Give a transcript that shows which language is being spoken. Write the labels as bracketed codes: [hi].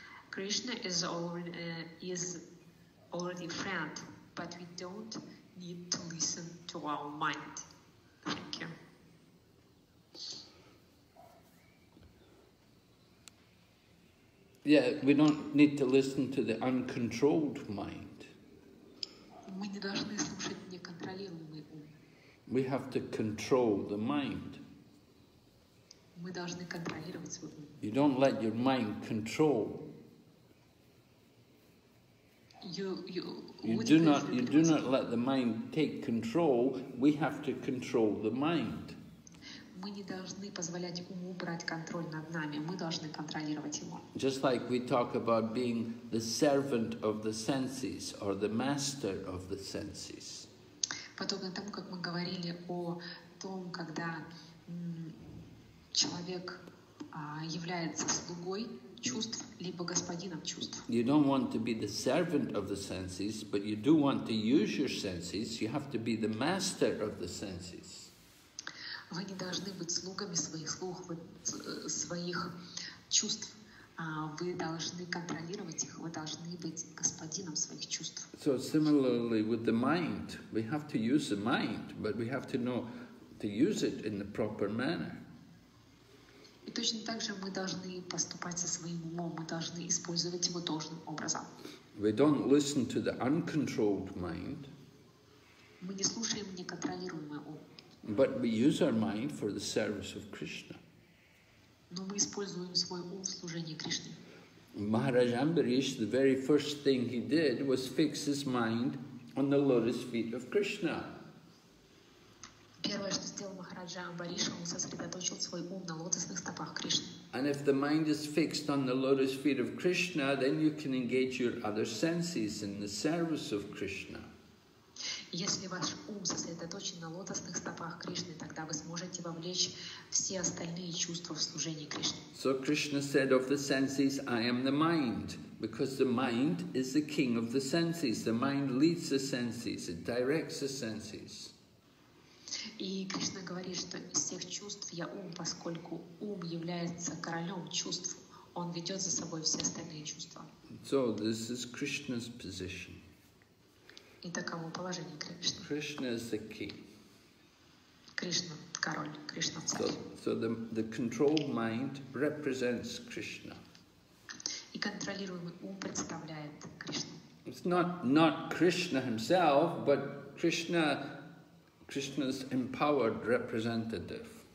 [en] Krishna is already a friend, but we don't need to listen to our mind. Thank you. Yeah, we don't need to listen to the uncontrolled mind. [ru] Мы не должны слушать неконтролируемый ум. [en] We have to control the mind. [ru] Мы должны контролировать свой ум. [en] You don't let your mind control. You do not let the mind take control. We have to control the mind. [ru] Мы не должны позволять уму брать контроль над нами. Мы должны контролировать его. [en] Just like we talk about being the servant of the senses or the master of the senses. [ru] Подобно тому, как мы говорили о том, когда человек является слугой чувств, либо господином чувств. [en] You don't want to be the servant of the senses, but you do want to use your senses. You have to be the master of the senses. [ru] Вы не должны быть слугами своих слуг, своих чувств. Вы должны контролировать их. Вы должны быть господином своих чувств. [en] So similarly with the mind, we have to use the mind, but we have to know to use it in the proper manner. [ru] И точно так же мы должны поступать со своим умом, мы должны использовать его должным образом. [en] We don't listen to the uncontrolled mind. [ru] Мы не слушаем неконтролируемый ум. [en] But we use our mind for the service of Krishna. [ru] Но мы используем свой ум в служении Кришне. [en] Maharaj Ambarish, the very first thing he did was fix his mind on the lotus feet of Krishna. [ru] Первое, что сделал Махараджа Амбариш, он сосредоточил свой ум на лотосных стопах Кришны. [en] And if the mind is fixed on the lotus feet of Krishna, then you can engage your other senses in the service of Krishna. [ru] Если ваш ум сосредоточен на лотосных стопах Кришны, тогда вы сможете вовлечь все остальные чувства в служение Кришне. [en] So Krishna said of the senses, I am the mind, because the mind is the king of the senses. The mind leads the senses, it directs the senses. [ru] И Кришна говорит, что из всех чувств я ум, поскольку ум является королем чувств, он ведет за собой все остальные чувства. [en] So this is Krishna's position. [ru] И таково положение Кришны. [en] Krishna is the king. [ru] Кришна король, Кришна царь. [en] So the controlled mind represents Krishna. [ru] И контролируемый ум представляет Кришну. [en] It's not Krishna himself, but Krishna's empowered representative.